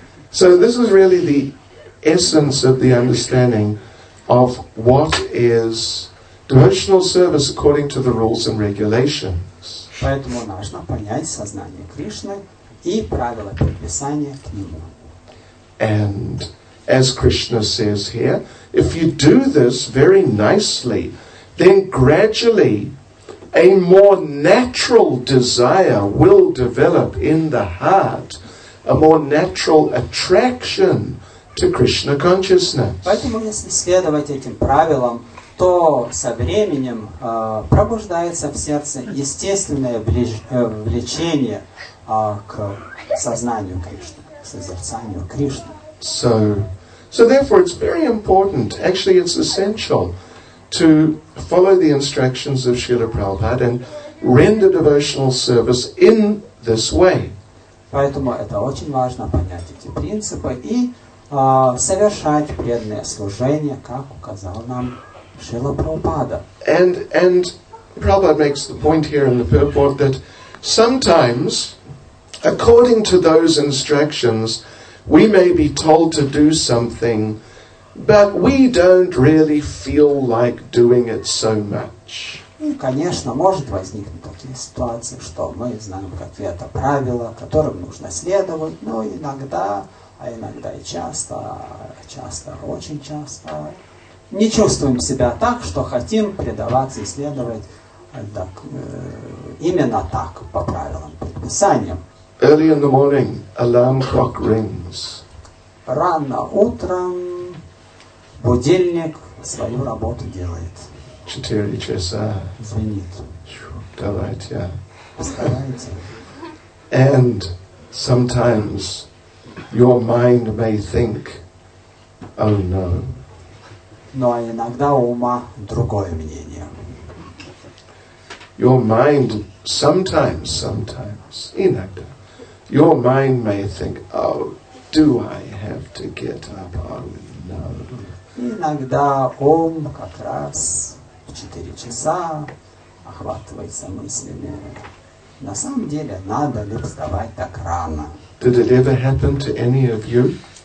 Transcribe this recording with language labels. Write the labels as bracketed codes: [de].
[en] So this is really the essence of the understanding of what is devotional service according to the rules and regulations. [ru] Поэтому нужно понять сознание Кришны и правила приписания к нему. [en] And as Krishna says here, if you do this very nicely, then gradually a more natural desire will develop in the heart, a more natural attraction to Krishna consciousness. [ru] Поэтому если следовать этим правилам, то со временем пробуждается в сердце естественное влечение к сознанию Кришны, к созерцанию Кришны. [en] So therefore it's very important, actually it's essential to follow the instructions of Srila Prabhupada and render devotional service in this way. [ru] Поэтому это очень важно понять эти принципы и совершать преданное служение, как указал нам Srila Prabhupada. [en] And Prabhupada makes the point here in the purport that sometimes, according to those instructions, we may be told to do something, but we don't really feel like doing it so much. [ru] И, конечно, может возникнуть такие ситуации, что мы знаем какие-то правила, которым нужно следовать, но иногда, а иногда и часто, часто, очень часто, не чувствуем себя так, что хотим предаваться и следовать так, именно так, по правилам, предписаниям. [en] Early in the morning, alarm clock rings. [ru] Рано утром будильник свою работу делает. 4 часа. Звенит. Давайте. Вставайте. [en] And sometimes your mind may think, oh no. [ru] Но иногда ума другое мнение. [en] Your mind sometimes, [ru] иногда. [en] Your mind may think, oh, do I have to get up? Oh, no. [ru] Иногда ум как раз в 4 часа охватывается мыслями. На самом деле, надо ли вставать так рано? [en] Did it ever happen to any of you?